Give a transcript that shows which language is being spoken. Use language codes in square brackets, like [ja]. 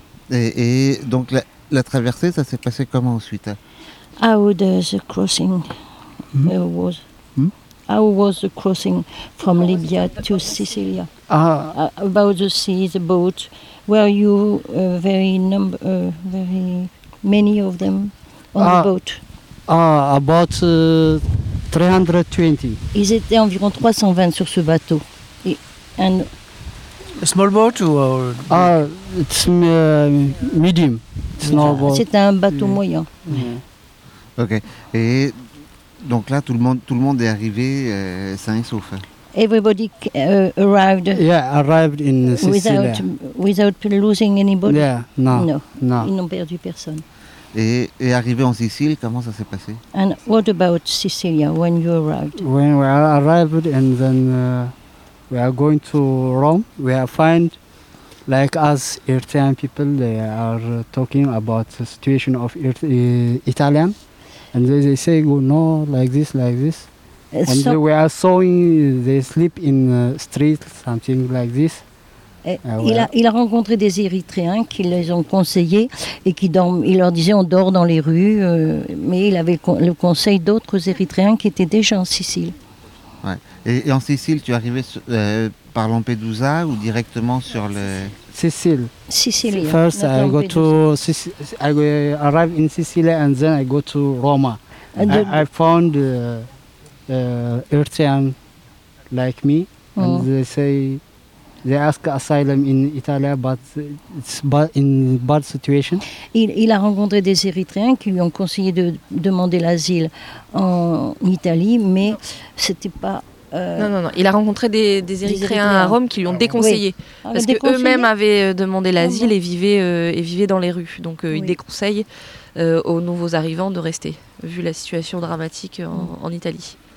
[fr] Et donc la traversée, ça s'est passé comment ensuite? [en] How does the crossing was? How was the crossing from Libya to Sicily? About the sea, the boat. Were you very many of them on the boat? About 320. [fr] Ils étaient environ 320 sur ce bateau. And [en] a small boat or? It's medium. It's small boat. [fr] C'est un bateau moyen. Mm-hmm. Okay. Et donc là, tout le monde est arrivé sain et sauf. [en] Everybody arrived. Yeah, arrived in Sicily. Without losing anybody. Yeah, no. [fr] Ils n'ont perdu personne. Et arrivé en Sicile, comment ça s'est passé? [en] And what about Sicilia when you arrived? When we arrived and then we are going to Rome, we are find like us Italian people, they are talking about the situation of Italian, and they say no, like this. And we are sawing, they sleep in the street, something like this. [fr] Il a rencontré des Érythréens qui les ont conseillés et qui dorment. Il leur disait on dort dans les rues, mais il avait le conseil d'autres Érythréens qui étaient déjà en Sicile. Ouais. Et en Sicile, tu arrivais par Lampedusa ou directement sur le Sicile. Sicile. [en] First, I go to I arrive in Sicily and then I go to Roma. I found Érythréens like me and they say. They ask asylum in Italy, but it's in bad situation. [fr] Il a rencontré des Érythréens qui lui ont conseillé de demander l'asile en Italie, mais c'était pas. Non. Il a rencontré des Érythréens à Rome qui lui ont déconseillé parce qu'eux-mêmes avaient demandé l'asile et vivaient dans les rues. Donc ils déconseillent aux nouveaux arrivants de rester, vu la situation dramatique en Italie.